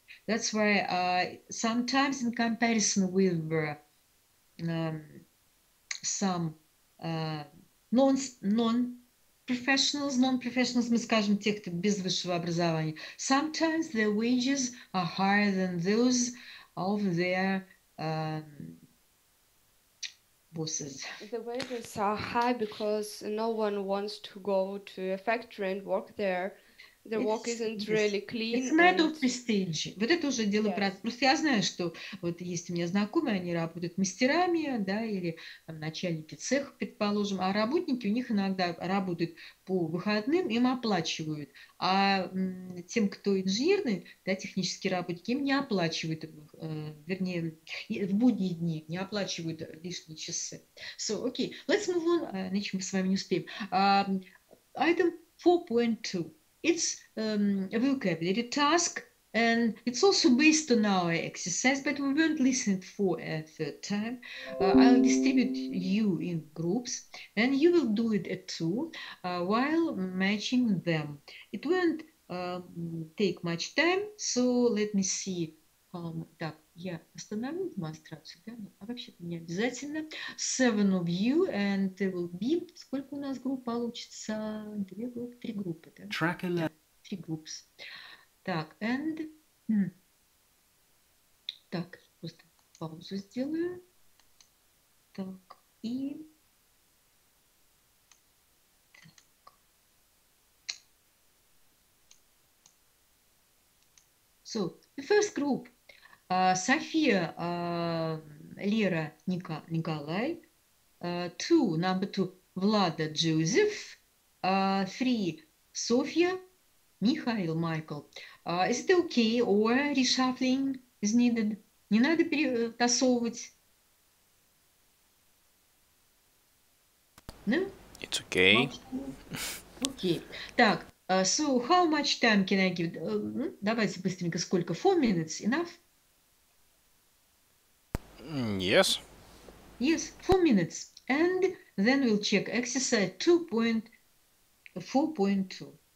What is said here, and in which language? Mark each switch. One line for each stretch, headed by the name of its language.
English: That's why sometimes in comparison with some non-professionals,
Russian: мы скажем, те, кто без высшего образования,
English: sometimes their wages are higher than those of their bosses. The wages are high because no one wants to go to a factory and work there. The walk isn't really clean. It's matter of prestige.
Russian: Вот это уже дело про... Просто я знаю, что вот есть у меня знакомые, они работают мастерами, да, или там, начальники цеха, предположим, а работники у них иногда работают по выходным, им оплачивают. А тем, кто инженерный, да, технические работники, им не оплачивают, вернее, в будние дни не оплачивают лишние часы.
English: So, okay, let's move on,
Russian: иначе мы с вами не успеем.
English: Item 4.2. It's a vocabulary task, and it's also based on our exercise, but we won't listen for a third time. I'll distribute you in groups, and you will do it at two while matching them. It won't take much time, so let me see.
Russian: Так, я остановлю демонстрацию, да? А вообще-то не обязательно.
English: Seven of you, and there will be...
Russian: Сколько у нас групп получится? Две группы, три группы, да?
English: Track 11. Three groups. Так, and...
Russian: Так, просто паузу сделаю. Так, и...
English: So, the first group. София, Лера, Николай, number two, Влада, Джозеф, three, София, Михаил, Майкл. Is it okay or reshuffling is needed?
Russian: Не надо перетасовывать?
English: No? It's okay. Okay.
Russian: Так,
English: so how much time can I give?
Russian: Давайте быстренько, сколько?
English: 4 minutes, enough? Yes. Yes, 4 minutes. And then we'll check exercise 4.2.